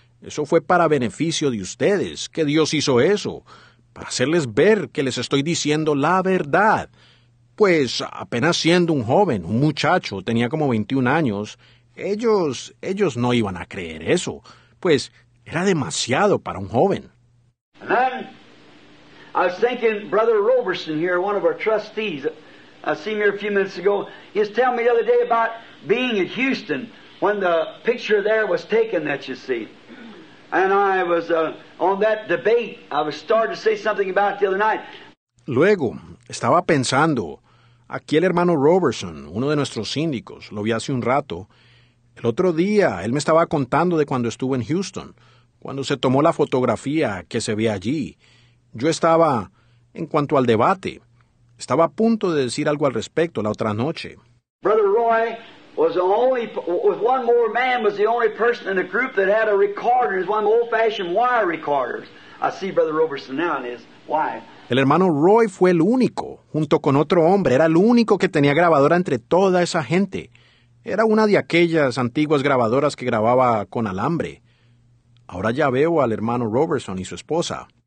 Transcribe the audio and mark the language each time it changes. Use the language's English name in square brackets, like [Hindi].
[Spanish] Eso fue para beneficio de ustedes, que Dios hizo eso. Para hacerles ver que les estoy diciendo la verdad. Pues apenas siendo un joven, un muchacho, tenía como 21 años, ellos no iban a creer eso. Pues era demasiado para un joven. [English] And then, I was thinking, Brother Roberson here, one of our trustees, I seen him here a few minutes ago, he was telling me the other day about being in Houston when the picture there was taken that you see. And I was on that debate, I was starting to say something about it the other night. [Spanish] Luego, estaba pensando, aquí el hermano Roberson, uno de nuestros síndicos, lo vi hace un rato. El otro día, él me estaba contando de cuando estuvo en Houston, cuando se tomó la fotografía que se ve allí. Yo estaba, en cuanto al debate, estaba a punto de decir algo al respecto la otra noche. [English] Brother Roy was the only, with one more man, was the only person in the group that had a recorder. It was one of the old-fashioned wire recorders. I see Brother Roberson now in his wife. [Spanish] El hermano Roy fue el único, junto con otro hombre, era el único que tenía grabadora entre toda esa gente. Era una de aquellas antiguas grabadoras que grababa con alambre. Ahora ya veo al hermano Roberson y su esposa.